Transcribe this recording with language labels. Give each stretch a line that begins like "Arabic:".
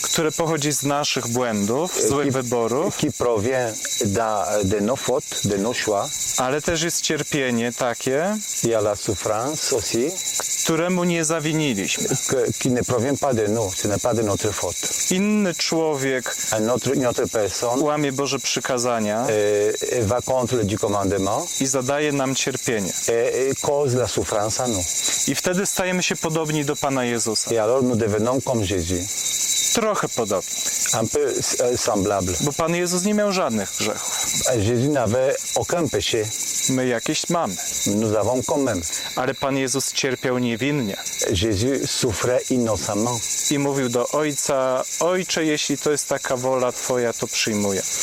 Polish: które pochodzi z naszych błędów, złych wyborów,
French: qui provient de nos fautes, de nos choix.
Polish: Ale też jest cierpienie takie,
French: il y a la souffrance aussi,
Polish: któremu nie zawiniliśmy.
French: Qui ne provient pas de nous, ce n'est pas de notre faute.
Polish: Inny człowiek,
French: une autre personne,
Polish: łamie Boże przykazania,
French: va contre du commandement,
Polish: i zadaje nam cierpienie.
French: Et cause la souffrance à nous.
Polish: I wtedy stajemy się podobni do Pana Jezusa.
French: Et alors nous devenons comme Jésus.
Polish: Trochę podobni.
French: Un peu semblable.
Polish: Bo Pan Jezus nie miał żadnych grzechów.
French: Jésus n'avait aucun péché.
Polish: My jakieś mamy.
French: Nous avons quand même.
Polish: Ale Pan Jezus cierpiał niewinnie.
French: Jésus souffrait innocemment.
Polish: I mówił do Ojca: Ojcze, jeśli to jest taka wola Twoja, to przyjmuję.